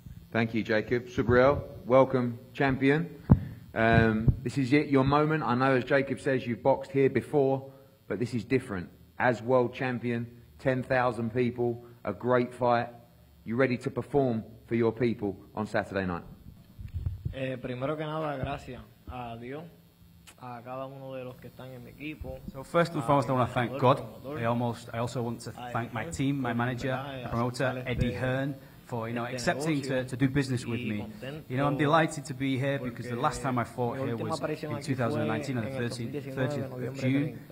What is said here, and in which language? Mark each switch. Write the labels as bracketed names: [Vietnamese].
[English] Thank you, Jacob. Subriel, welcome, champion. This is it, your moment. I know, as Jacob says, you've boxed here before, but this is different. As world champion, 10,000 people, a great fight. You ready to perform for your people on Saturday night? [Spanish] Primero que nada, gracias a Dios, a cada uno de los que están en mi equipo. [English] So first and foremost, I want to thank God. I also want to thank my team, my manager, my promoter, Eddie Hearn, for, you know, accepting to do business with me. You know, I'm delighted to be here because the last time I fought here was in 2019 on the 30th of June.